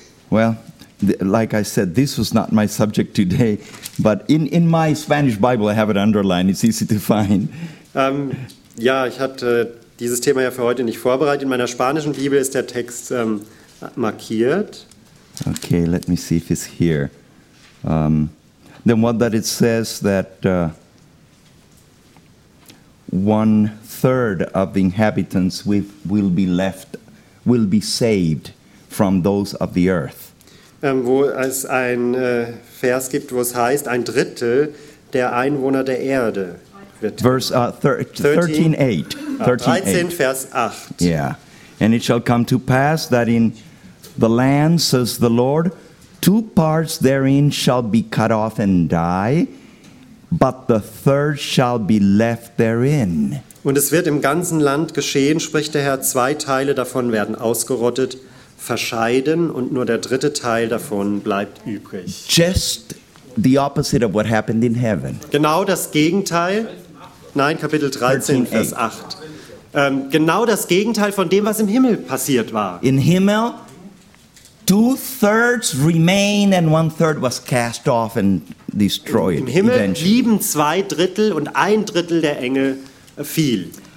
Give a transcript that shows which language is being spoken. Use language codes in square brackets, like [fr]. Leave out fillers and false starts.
[en] Well, like I said, this was not my subject today, but in my Spanish Bible, I have it underlined. It's easy to find. [de] Ja, ich hatte dieses Thema ja für heute nicht vorbereitet. In meiner spanischen Bibel ist der Text markiert. [en] Okay, let me see if it's here. Then what that it says that one third of the inhabitants will be saved from those of the earth. [de] Wo es ein Vers gibt, wo es heißt, ein Drittel der Einwohner der Erde wird. [en] Verse 13:8. Yeah. And it shall come to pass that in the land, says the Lord, two parts therein shall be cut off and die, but the third shall be left therein. [de] Und es wird im ganzen Land geschehen, spricht der Herr, zwei Teile davon werden ausgerottet, verscheiden und nur der dritte Teil davon bleibt übrig. [en] Just the opposite of what happened in heaven. [de] Genau das Gegenteil. Nein, Kapitel 13, Vers 8. Genau das Gegenteil von dem, was im Himmel passiert war. In Himmel, [en] two thirds remain and one third was cast off and destroyed. [de] Im Himmel blieben zwei Drittel und ein Drittel der Engel fiel.